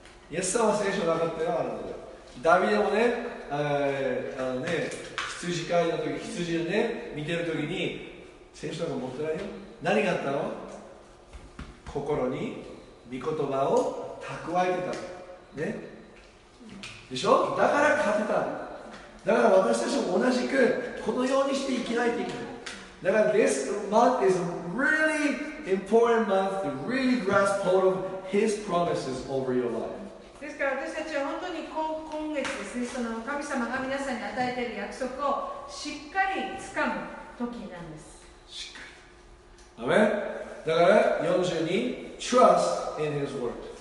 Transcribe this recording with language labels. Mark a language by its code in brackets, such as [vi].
[ja] イエス様は聖書なかったよ、荒野で。ダビデもね、あのね、羊飼いの時、羊をね、見てる時に、聖書なんか持ってないよ。何があったの？心に、御言葉を、蓄えてた、ね、でしょ。だから勝てた。だから私たちも同じくこのようにして生きないといけない。だから [en] This month is a really important month to really grasp hold of His promises over your life. [ja] ですから私たちは本当に今月ですね、その神様が皆さんに与えている約束をしっかり掴む時なんです。しっかり。アメン。だから42 [en] Trust in His word.